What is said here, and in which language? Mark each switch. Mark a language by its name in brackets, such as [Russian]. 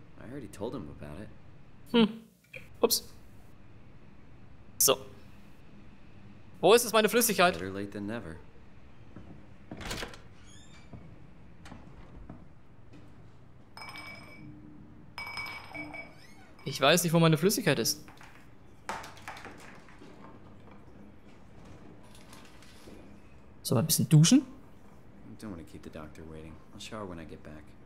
[English] I heard he told him about it. Ups. So. [German] Wo ist es meine Flüssigkeit? [English] Better late than never. [German] Ich weiß nicht, wo meine Flüssigkeit ist. So, ein bisschen duschen. [English] I don't want to keep the doctor waiting. I'll shower when I get back.